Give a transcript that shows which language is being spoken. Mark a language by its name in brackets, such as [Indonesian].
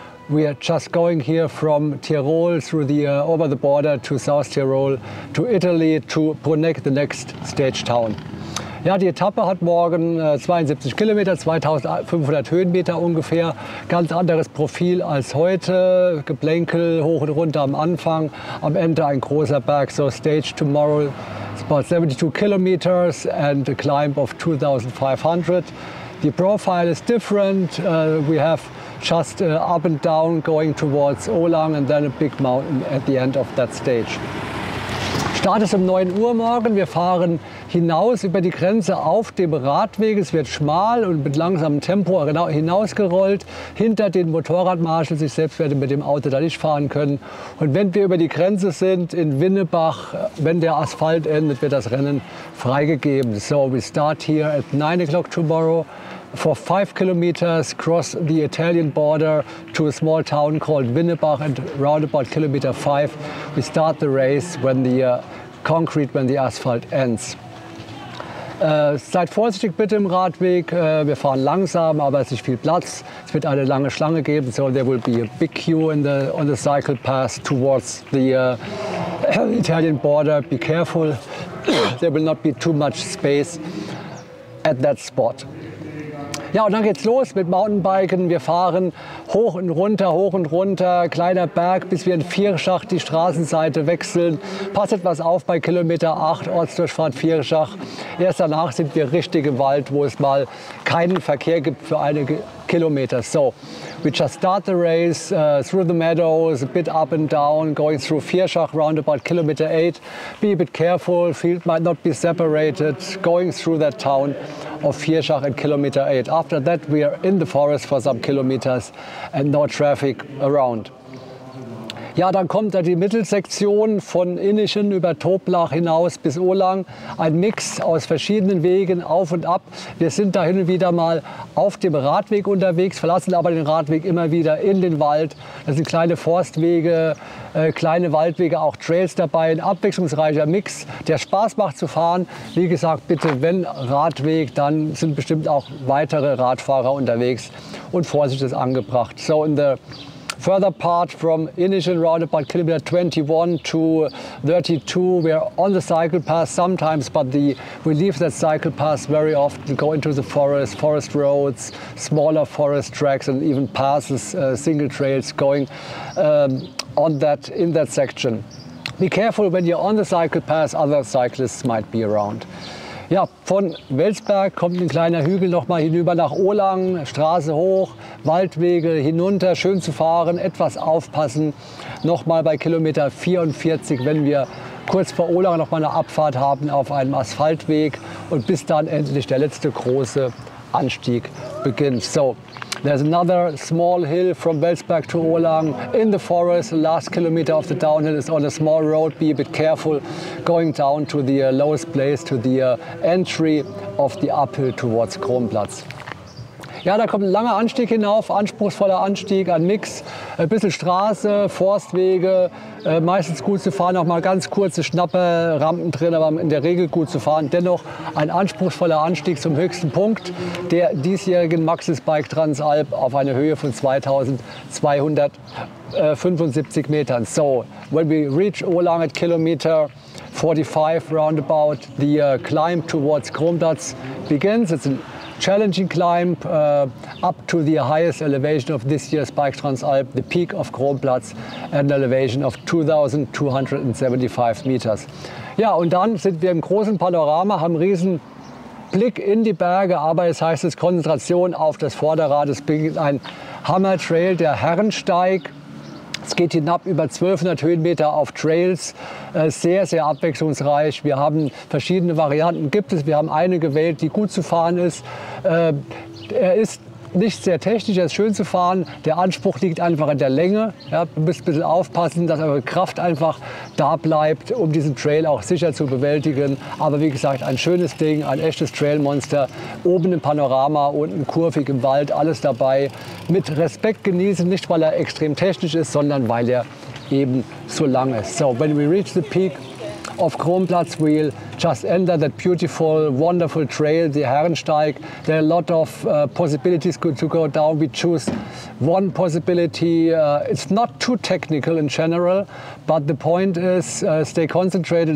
[English] We are just going here from Tirol through the over the border to South Tirol to Italy to Bruneck, the next stage town. [German] Ja, die Etappe hat morgen 72 Kilometer, 2500 Höhenmeter ungefähr. Ganz anderes Profil als heute. Geplänkel hoch und runter am Anfang. Am Ende ein großer Berg. [English] So stage tomorrow is about 72 kilometers and a climb of 2500. The profile is different. We have just up and down going towards Olang and then a big mountain at the end of that stage. [German] Start ist um 9 Uhr morgen. Wir fahren hinaus über die Grenze auf dem Radweg. Es wird schmal und mit langsamem Tempo hinausgerollt. Hinter den Motorradmarschall. Ich selbst werde mit dem Auto da nicht fahren können. Und wenn wir über die Grenze sind in Winnebach, wenn der Asphalt endet, wird das Rennen freigegeben. [English] So, we start here at 9 o'clock tomorrow. For 5 kilometers, cross the Italian border to a small town called Winnebach, and round about kilometer 5, we start the race when the concrete, when the asphalt ends. [German] Seid vorsichtig bitte im Radweg. Wir fahren langsam, aber es ist nicht viel Platz. Es wird eine lange Schlange geben, [English] so there will be a big queue on the cycle path towards the Italian border. Be careful, there will not be too much space at that spot. [German] Ja, und dann geht's los mit Mountainbiken. Wir fahren hoch und runter, kleiner Berg, bis wir in Vierschach die Straßenseite wechseln. Passt etwas auf bei Kilometer 8, Ortsdurchfahrt Vierschach. Erst danach sind wir richtig im Wald, wo es mal keinen Verkehr gibt für einige Kilometer. [English] So, we just start the race through the meadows, a bit up and down, going through Vierschach, round about kilometer 8. Be a bit careful, field might not be separated, going through that town of Vierschach at kilometer 8. After that, we are in the forest for some kilometers and no traffic around. [German] Ja, dann kommt da die Mittelsektion von Innichen über Toblach hinaus bis Olang. Ein Mix aus verschiedenen Wegen, auf und ab. Wir sind da hin und wieder mal auf dem Radweg unterwegs, verlassen aber den Radweg immer wieder in den Wald. Das sind kleine Forstwege, kleine Waldwege, auch Trails dabei. Ein abwechslungsreicher Mix, der Spaß macht zu fahren. Wie gesagt, bitte, wenn Radweg, dann sind bestimmt auch weitere Radfahrer unterwegs. Und Vorsicht ist angebracht. [English] So in the further part from Innichen round about kilometer 21 to 32, we are on the cycle path sometimes, but we leave that cycle path very often, go into the forest roads, smaller forest tracks and even passes, single trails going in that section. Be careful when you're on the cycle path, other cyclists might be around. [German] Ja, von Welsberg kommt ein kleiner Hügel noch mal hinüber nach Olang, Straße hoch, Waldwege hinunter, schön zu fahren, etwas aufpassen. Noch mal bei Kilometer 44, wenn wir kurz vor Olang noch mal eine Abfahrt haben auf einem Asphaltweg und bis dann endlich der letzte große Anstieg beginnt. [English] So, there's another small hill from Welsberg to Olang in the forest. The last kilometer of the downhill is on a small road. Be a bit careful going down to the lowest place, to the entry of the uphill towards Kronplatz. [German] Ja, da kommt ein langer Anstieg hinauf, anspruchsvoller Anstieg, ein Mix, ein bisschen Straße, Forstwege, meistens gut zu fahren, auch mal ganz kurze Schnapperrampen drin, aber in der Regel gut zu fahren. Dennoch ein anspruchsvoller Anstieg zum höchsten Punkt der diesjährigen Maxis Bike Transalp auf eine Höhe von 2275 Metern. So, when we reach Olang at kilometer 45 roundabout, the climb towards Kronplatz begins. It's an challenging climb up to the highest elevation of this year's Bike Transalp, the peak of Kronplatz, at an elevation of 2275 meters. Ja, und dann sind wir im großen Panorama, haben riesen Blick in die Berge, aber es heißt es Konzentration auf das Vorderrad. Es beginnt ein Hammer Trail, der Herrensteig. Es geht hinab über 1200 Höhenmeter auf Trails, sehr, sehr abwechslungsreich. Wir haben verschiedene Varianten, gibt es. Wir haben eine gewählt, die gut zu fahren ist. Er ist nicht sehr technisch, er ist schön zu fahren. Der Anspruch liegt einfach in der Länge. Ja, du musst ein bisschen aufpassen, dass eure Kraft einfach da bleibt, um diesen Trail auch sicher zu bewältigen. Aber wie gesagt, ein schönes Ding, ein echtes Trailmonster. Oben im Panorama, unten kurvig im Wald, alles dabei. Mit Respekt genießen, nicht weil er extrem technisch ist, sondern weil er eben so lang ist. [English] So, when we reach the peak of Kronplatz, we'll just enter that beautiful, wonderful trail, the Herrensteig. There are a lot of possibilities to go down. We choose one possibility. It's not too technical in general, but the point is stay concentrated.